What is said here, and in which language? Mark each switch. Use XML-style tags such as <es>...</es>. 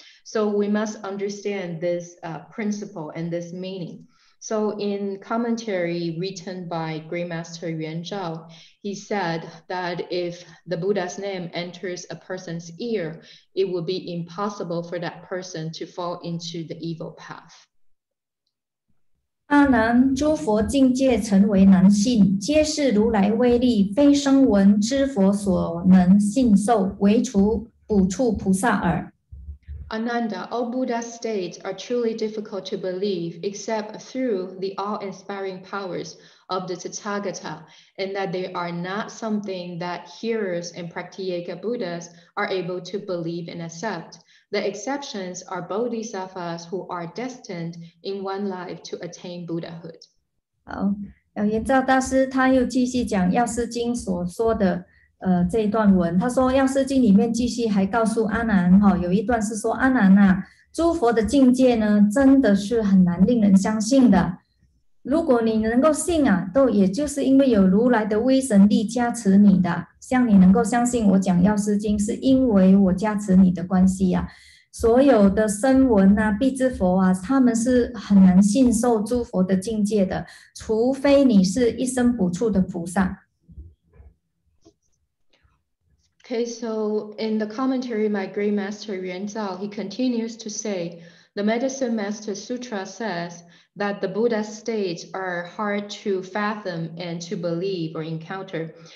<en>So we must understand this principle and this meaning. So in commentary written by Great Master Yuan Zhao, he said that if the Buddha's name enters a person's ear, it would be impossible for that person to fall into the evil path.</en> <zh>阿难，诸佛境界成为难信，皆是如来威力，非声闻之佛所能信受，唯除补处菩萨耳。</zh> <en>Ananda, all Buddha states are truly difficult to believe except through the awe-inspiring powers of the Tathagata, and that they are not something that hearers and Pratyeka Buddhas are able to believe and accept. The exceptions are Bodhisattvas who are destined in one life to attain Buddhahood.</en> <zh>好，圆照大师他又继续讲药师经所说的这一段文，他说《药师经》里面继续还告诉阿难，有一段是说，阿难啊，诸佛的境界呢，真的是很难令人相信的。如果你能够信啊，都也就是因为有如来的威神力加持你的，像你能够相信我讲《药师经》，是因为我加持你的关系啊。所有的声闻啊、辟支佛啊，他们是很难信受诸佛的境界的，除非你是一生不处的菩萨。</zh> <en>Okay, so in the commentary, my great master Yuan Zhao, he continues to say, the Medicine Master Sutra says that the Buddha's states are hard to fathom and to believe or encounter.</en>